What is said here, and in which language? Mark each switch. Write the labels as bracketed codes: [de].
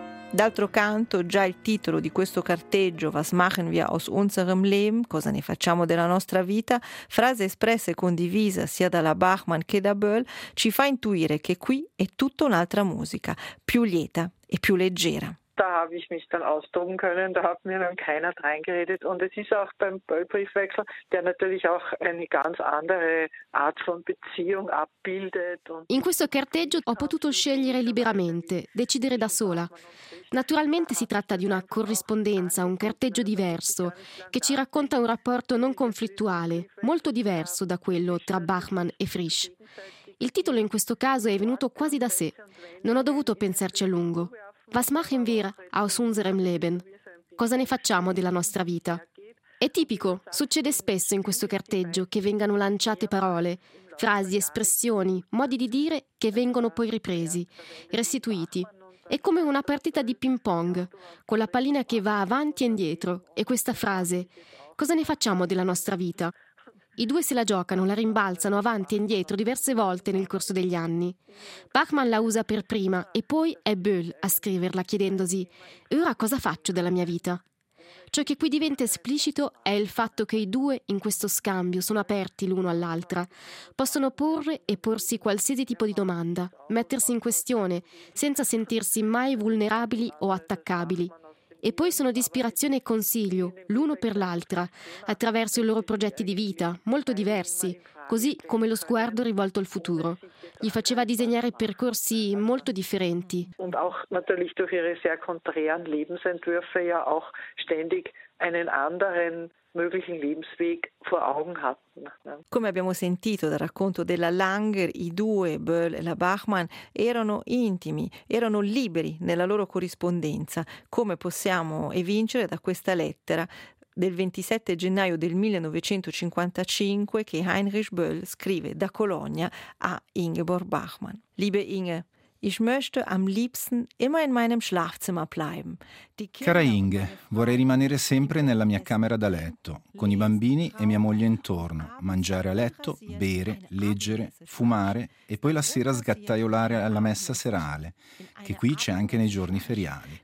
[it] D'altro canto, già il titolo di questo carteggio, [de] Was machen wir aus unserem Leben, [it] cosa ne facciamo della nostra vita, frase espressa e condivisa sia dalla Bachmann che da Böll, ci fa intuire che qui è tutta un'altra musica, più lieta e più leggera. [de] Da habe ich mich dann austoben können, da hat mir dann keiner dreingeredet. Und es ist auch beim Böll-Briefwechsel, der natürlich auch eine ganz andere Art von Beziehung abbildet. [it] In questo carteggio ho potuto scegliere liberamente, decidere da sola. Naturalmente si tratta di una corrispondenza, un carteggio diverso, che ci racconta un rapporto non conflittuale, molto diverso da quello tra Bachmann e Frisch. Il titolo in questo caso è venuto quasi da sé, non ho dovuto pensarci a lungo. [de] Was machen wir aus unserem Leben? [it] Cosa ne facciamo della nostra vita? È tipico, succede spesso in questo carteggio che vengano lanciate parole, frasi, espressioni, modi di dire che vengono poi ripresi, restituiti. È come una partita di ping pong, con la pallina che va avanti e indietro, e questa frase, cosa ne facciamo della nostra vita? I due se la giocano, la rimbalzano avanti e indietro diverse volte nel corso degli anni. Bachmann la usa per prima e poi è Böll a scriverla chiedendosi: «E ora cosa faccio della mia vita?» Ciò che qui diventa esplicito è il fatto che i due in questo scambio sono aperti l'uno all'altra. Possono porre e porsi qualsiasi tipo di domanda, mettersi in questione, senza sentirsi mai vulnerabili o attaccabili. E poi sono di ispirazione e consiglio, l'uno per l'altra, attraverso i loro progetti di vita, molto diversi, così come lo sguardo rivolto al futuro. Gli faceva disegnare percorsi molto differenti. [de] Und auch natürlich durch ihre sehr konträren Lebensentwürfe ja auch ständig einen anderen möglichen Lebensweg vor Augen hatten. [it] Come abbiamo sentito dal racconto della Langer, i due, Böll e la Bachmann, erano intimi, erano liberi nella loro corrispondenza, come possiamo evincere da questa lettera del 27 gennaio del 1955 che Heinrich Böll scrive da Colonia a Ingeborg Bachmann. [de] Liebe Inge, ich möchte am liebsten immer in meinem Schlafzimmer bleiben. [it] Cara Inge, vorrei rimanere sempre nella mia camera da letto, con i bambini e mia moglie intorno, mangiare a letto, bere, leggere, fumare e poi la sera sgattaiolare alla messa serale, che qui c'è anche nei giorni feriali.